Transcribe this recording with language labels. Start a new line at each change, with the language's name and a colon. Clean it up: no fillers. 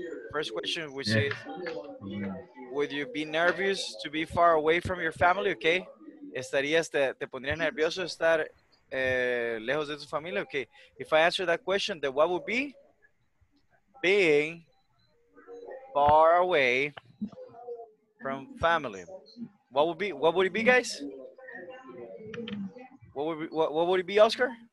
English: First question, which is, would you be nervous to be far away from your family, okay?
Spanish: ¿Estarías, te pondrías nervioso estar lejos de tu familia?
English: Okay, if I answer that question, then what would be? Being far away from family. What would it be, guys? What would it be, Oscar?